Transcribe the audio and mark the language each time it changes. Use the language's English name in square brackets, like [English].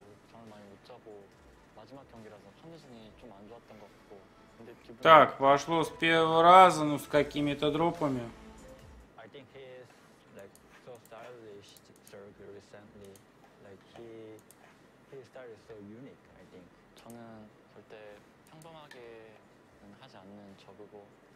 [Korean] 같고 마지막 경기라서 컨디션이 좀 안 좋았던 것 같고 근데 기분 [Russian] Так, пошло с первого раза, ну с какими-то дропами. [English] I think he is like so stylish recently. Like his style is so unique, I think. [Korean] 저는 절대 평범하게는 하지 않는 적이고